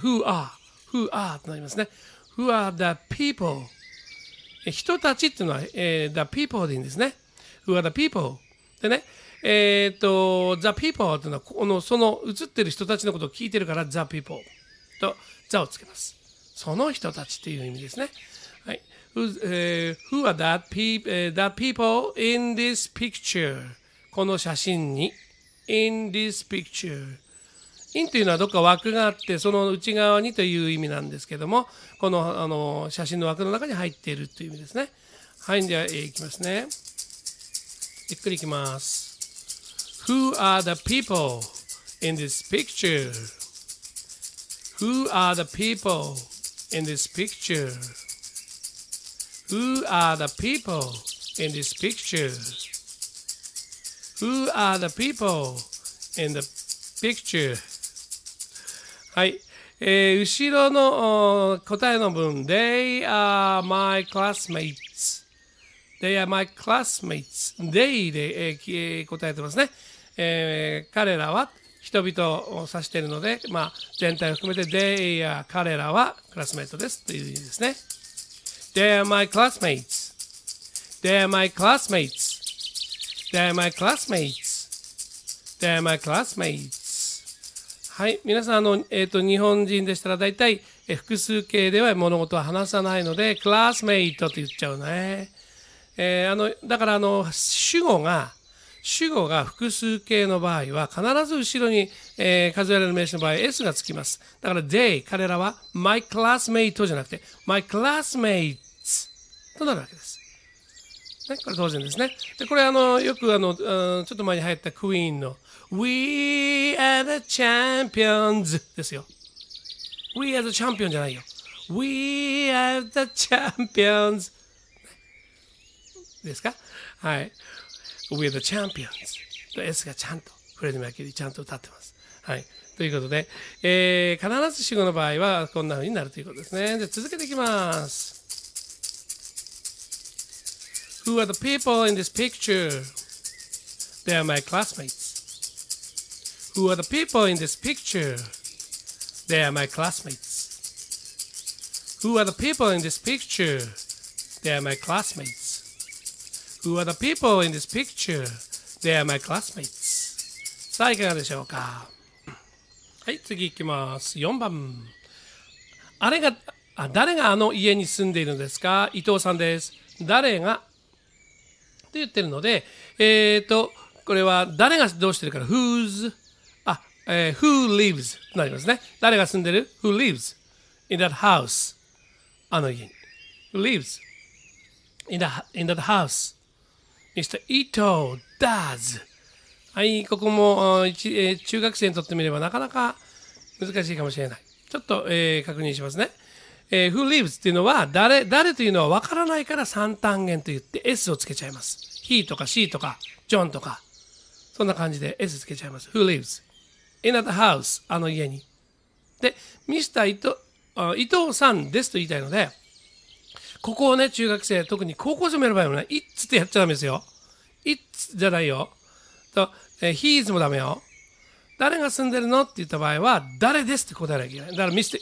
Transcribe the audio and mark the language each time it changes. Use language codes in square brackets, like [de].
[en] who are? who are? [ja] となりますね。 [en] who are the people? [ja] 人たちっていうのは、the people でいいんですね。 [en] who are the people? [ja] でね、the people っていうのはその写ってる人たちのことを聞いてるから the people と the をつけます。その人たちっていう意味ですね。はい。 [en] who are that the people in this picture? [ja] この写真に in this picture in というのはどっか枠があって、その内側にという意味なんですけども、この写真の枠の中に入っているという意味ですね。はい、では行きますね。ゆっくり行きます。 [en] Who are the people in this picture? Who are the people in this picture? Who are the people in this picture? Who are the people in the picture? はい、 [ja] 後ろの答えの文 [en] They are my classmates. They are my classmates. [ja] They で、答えてますね、彼らは人々を指しているので、まあ、全体を含めて They are 彼らはクラスメイトですという意味ですね。 [en] They are my classmates. They are my classmates. They are my classmates. They are my classmates. [ja] はい、皆さん日本人でしたら大体複数形では物事は話さないのでクラスメイトと言っちゃうね、だから主語が複数形の場合は必ず後ろに、数えられる名詞の場合 S がつきます。だから they 彼らは my classmate じゃなくて my classmates となるわけですね。これ当然ですね。でこれよくちょっと前に流行ったクイーンのWe are the champions ですよ。 [en] We are the champion [ja] じゃないよ。 [en] We are the champions [ja] ですか？はい。 [en] We are the champions [ja] と S がちゃんとフレディ・マーキュリーちゃんと歌ってます。はい。ということで、必ず主語の場合はこんな風になるということですね。で続けていきます。 [en] Who are the people in this picture? They are my classmates. Who are the people in this picture? They are my classmates. Who are the people in this picture? They are my classmates. Who are the people in this picture? They are my classmates. [ja] さあ、いかがでしょうか？はい、次行きます。4番。誰があの家に住んでいるんですか？伊藤さんです。誰が？って言ってるので、これは誰がどうしてるから、who's? [en] Who lives? となりますね。 [ja] 誰が住んでる [en] ?Who lives in that house? [ja] あの家に。 [en] Who lives in that house?Mr. Ito does. [ja] はい、ここも中学生にとってみればなかなか難しいかもしれない。ちょっと、確認しますね。 [en] Who lives [ja] っていうのは誰というのは分からないから三単元と言って S をつけちゃいます。 He とか She とか John とか。そんな感じで S つけちゃいます。 [en] Who lives? In the house, [ja] あの家に。で、伊藤さんですと言いたいので、ここをね、中学生、特に高校生もやる場合もね、it's ってやっちゃダメですよ。 it's じゃないよ。と、he's もダメよ。誰が住んでるのって言った場合は、誰ですって答えなきゃいけない。だから、Mr.